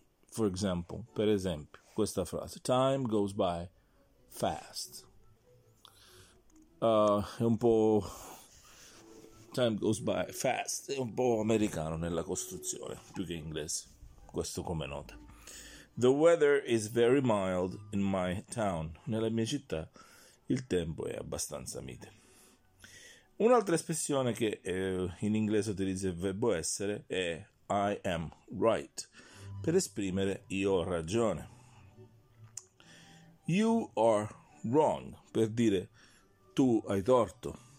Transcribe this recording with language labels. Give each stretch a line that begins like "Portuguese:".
English: For example, per esempio, questa frase: time goes by fast. È un po'. Time goes by fast.
Italian: È un po' americano nella costruzione, più che inglese. Questo come nota.
English: The weather is very mild in my town.
Italian: Nella mia città il tempo è abbastanza mite. Un'altra espressione che in inglese utilizza il verbo essere è I am right, per esprimere io ho ragione. You are wrong, per dire tu hai torto.